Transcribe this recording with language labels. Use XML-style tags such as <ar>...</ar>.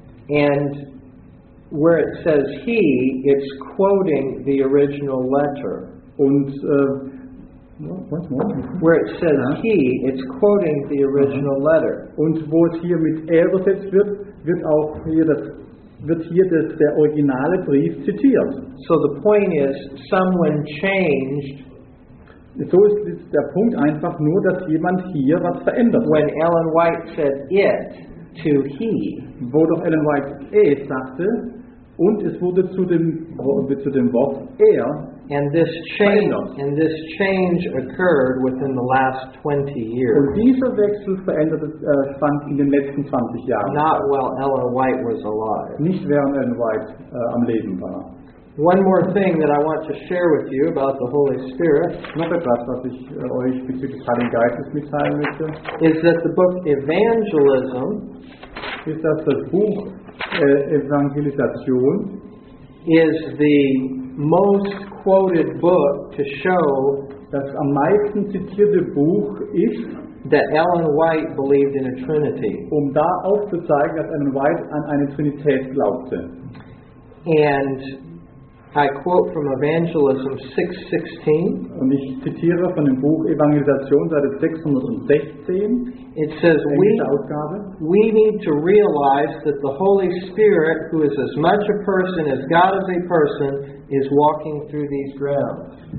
<en>And where it says he, it's quoting the original letter. Und once more. Where it says he, it's quoting the original letter.</en> <de>Und wo es hier mit er übersetzt wird, wird hier der originale Brief zitiert.</de> <en>So the point is, someone changed.</en> <de>So ist der Punkt einfach nur, dass jemand hier was verändert.</de> <en>When Ellen White said it to he.</en> <de>Wo doch Ellen White es sagte, und es wurde zu dem Wort er.</de> <en>And this change occurred within the last 20 years.</en> <de>Und dieser Wechsel fand in den letzten 20 Jahren.</de> <en>Not while Ellen White was alive.</en> <de>Nicht während Ellen White am Leben war.</de> <en>One more thing that I want to share with you about the Holy Spirit.</en> <de>Noch etwas, was ich euch bezüglich des Heiligen Geistes mitteilen möchte.</de> <en>Is that the book Evangelism?</en> <de>Ist das das Buch Evangelisation?</de> <en>Is the most quoted book to show</en> <de>das am meisten zitierte Buch ist,</de> <en>that Ellen White believed in a Trinity.</en> <de>Um da aufzuzeigen, dass Ellen White an eine Trinität glaubte.</de> <en>And I quote from Evangelism 6:16.</en> <de>Und ich zitiere von dem Buch Evangelisation Seite 616.</de> <en>It says we need to realize that the Holy Spirit, who is as much a person as God is a person, is walking through these grounds.</en>